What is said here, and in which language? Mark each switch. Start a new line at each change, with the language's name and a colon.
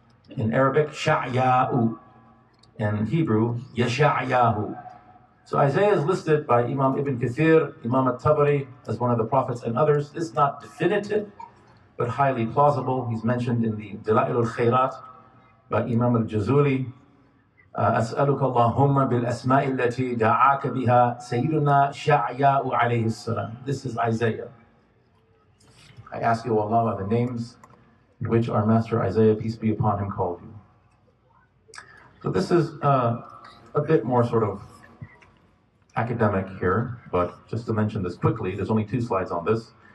English: In Arabic, Sha'yahu. In Hebrew, Yesha'yahu. So Isaiah is listed by Imam Ibn Kathir, Imam At-Tabari, as one of the prophets and others. It's not definitive, but highly plausible. He's mentioned in the Dila'il al-Khairat by Imam al-Jazuli.
Arabic: أسألك اللهم بالأسماء التي دعاك بها سيدنا شعياء عليه السلام.
English: This is Isaiah. I ask you, Allah, by the names in which our master Isaiah, peace be upon him, called you. So this is a bit more sort of academic here, but just to mention this quickly, there's only two slides on this.